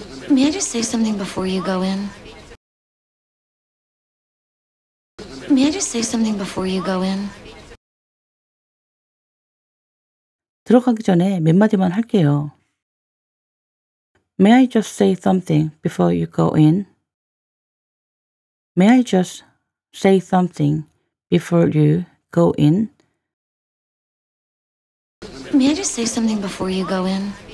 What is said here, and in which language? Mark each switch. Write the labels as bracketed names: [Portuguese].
[English] May I just say something before you go in? May I just say something before you go in? [Korean] 들어가기 전에 몇 마디만 할게요. [English] May I just say something before you go in? May I just say something before you go in? May I just say something before you go in?